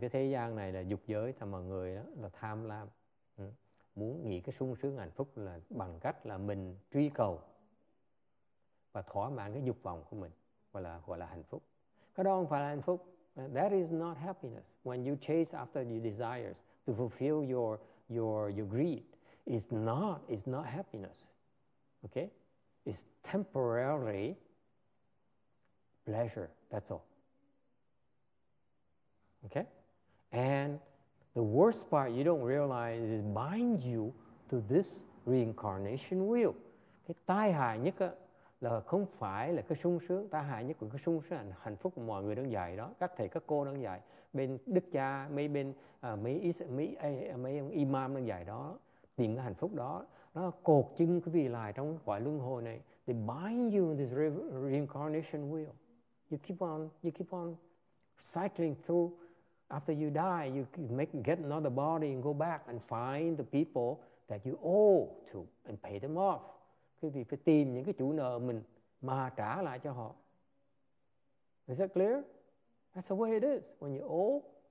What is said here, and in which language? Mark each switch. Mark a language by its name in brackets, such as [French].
[Vietnamese] Cái thế gian này là dục giới, thì mọi người đó là tham lam. Muốn nghĩ cái sung sướng hạnh phúc là bằng cách là mình truy cầu và thỏa mãn cái dục vọng của mình, gọi là hạnh phúc. Cái đó không phải là hạnh phúc. [English] That is not happiness. When you chase after your desires to fulfill your greed, it's not happiness. Okay? It's temporary pleasure. That's all. Okay? And The worst part you don't realize is bind you to this reincarnation wheel. [Vietnamese] Cái tai hại nhất á, là không phải là cái sung sướng, tai hại nhất của cái sung sướng là hạnh phúc của mọi người đang dạy đó, các thầy các cô đang dạy, bên đức cha, mấy bên mấy ông imam đang dạy đó, tìm cái hạnh phúc đó, nó cột chân quý vị lại trong quả luân hồi này. [English] They bind you in this reincarnation wheel. You keep on cycling through. After you die, you get another body and go back and find the people that you owe to and pay them off. [Vietnamese] Quý vị phải tìm những cái chủ nợ mình mà trả lại cho họ. [English] Is that clear? That's the way it is when you owe.